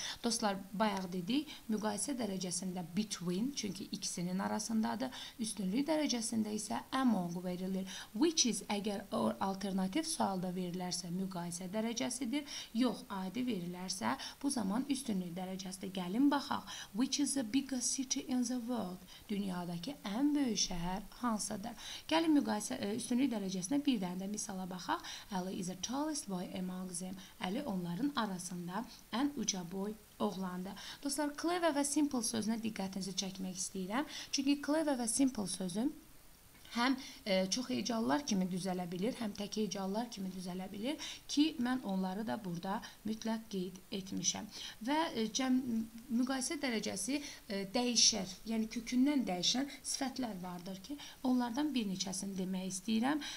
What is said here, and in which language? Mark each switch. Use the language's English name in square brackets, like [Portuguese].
[Azerbaijani] Dostlar, bayaq dedik, müqayisə dərəcəsində between, çünki ikisinin arasındadır. Üstünlük dərəcəsində isə among verilir. Which is, əgər or alternativ sualda verilərsə, müqayisə dərəcəsidir. Yox, adi verilərsə, bu zaman üstünlük dərəcəsində. Gəlin baxaq. [English] Which is the biggest city in the world? [Azerbaijani] Dünyadakı ən böyük şəhər hansıdır? Gəlin müqayisə üstünlük dərəcəsində bir dənə də misala baxaq. [English] Ali is the tallest boy among them. [Azerbaijani] Ali onların arasında ən uca boy oğlandı. Dostlar, clever və simple sözünə diqqətinizi çəkmək istəyirəm. Çünki clever və simple sözüm həm çox hecallar kimi düzələ bilir, həm tək hecallar kimi düzələ bilir ki, mən onları da burada mütləq qeyd etmişəm. Və müqayisə dərəcəsi dəyişər, yəni kökündən dəyişən sifətlər vardır ki, onlardan bir neçəsini demək istəyirəm.